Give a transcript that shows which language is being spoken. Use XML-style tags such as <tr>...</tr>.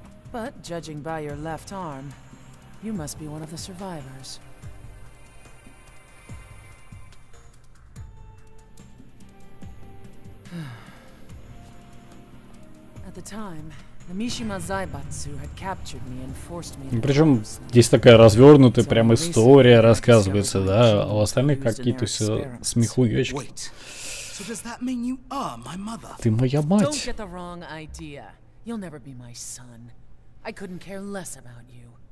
<en>But judging by your left arm, you must be one of the survivors. At the time, Mishima Zaibatsu had captured me and forced me.</en> <ru>Причем здесь такая развернутая прям история рассказывается, да? А у остальных какие-то все смехуёчки.</ru> <en>So does that mean you are my mother?</en> <ru>Ты моя мать.</ru> <en>Don't get the wrong idea. You'll never be my son. I couldn't care less about you.</en>